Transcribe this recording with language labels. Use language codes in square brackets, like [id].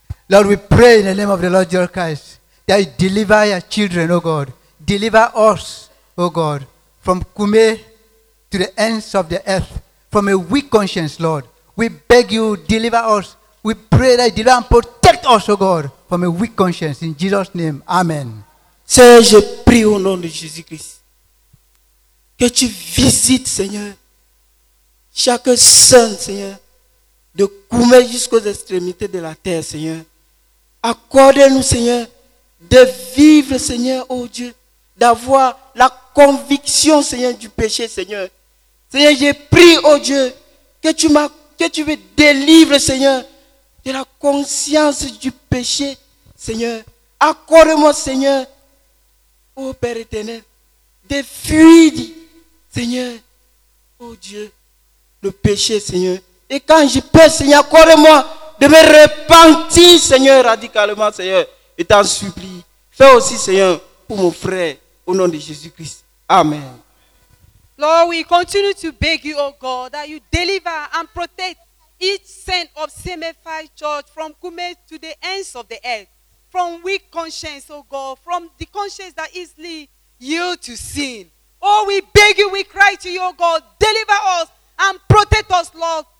[en] Lord, we pray in the name of the Lord Jesus Christ that you deliver your children, O God. Deliver us, O God, from Kume to the ends of the earth, from a weak conscience, Lord. We beg you, deliver us. We pray that you deliver and protect us, O God, from a weak conscience. In Jesus' name, amen. [fr] Seigneur, je prie au nom de Jésus-Christ que tu visites, Seigneur, chaque saint, Seigneur, de Koumé jusqu'aux extrémités de la terre, Seigneur. Accorde-nous, Seigneur, de vivre, Seigneur, oh Dieu, d'avoir la conviction, Seigneur, du péché, Seigneur. Seigneur, je prie, oh Dieu, que tu me délivres, Seigneur, de la conscience du péché, Seigneur. Accorde-moi, Seigneur, oh Père éternel, de fuir, Seigneur, oh Dieu, le péché, Seigneur. Et quand je pèse, Seigneur, accorde-moi de me repentir, Seigneur, radicalement, Seigneur, et t'en supplie. Fais aussi, Seigneur, pour mon frère, au nom de Jésus-Christ. Amen. [en] Lord, we continue to beg you, oh God, that you deliver and protect each saint of CMFI Church from Kume to the ends of the earth, from weak conscience, oh God, from the conscience that easily yield to sin. Oh, we beg you, we cry to you, oh God, deliver us and protect us, Lord.